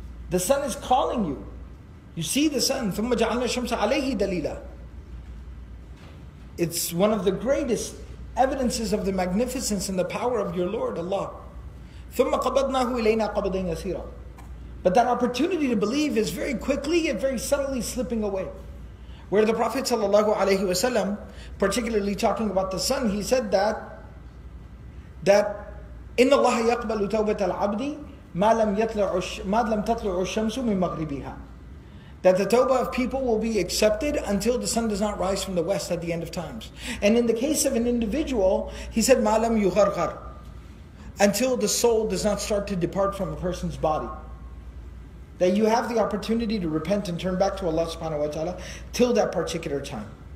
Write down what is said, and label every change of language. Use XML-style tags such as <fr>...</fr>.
<en>The sun is calling you. You see the sun.</en> <ar>ثُمَّ جَعَلْنَا الشَّمْسَ عَلَيْهِ دَلِيلًا.</ar> <en>It's one of the greatest evidences of the magnificence and the power of your Lord, Allah.</en> <ar>ثُمَّ قَبَضْنَاهُ إِلَيْنَا قَبَضًا يَسِيرًا.</ar> <en>But that opportunity to believe is very quickly and very subtly slipping away. Where the Prophet ﷺ, particularly talking about the sun, he said that</en> <ar>إِنَّ اللَّهَ يَقْبَلُ تَوْبَةَ الْعَبْدِ مَا لَمْ تَطْلُعُ الشَّمْسُ مِنْ مَغْرِبِهَا.</ar> <en>That the tawbah of people will be accepted until the sun does not rise from the west at the end of times. And in the case of an individual, he said,</en> <ar>مَا لَمْ يُغَرْغَرْ.</ar> <en>Until the soul does not start to depart from a person's body. That you have the opportunity to repent and turn back to Allah subhanahu wa ta'ala till that particular time.</en>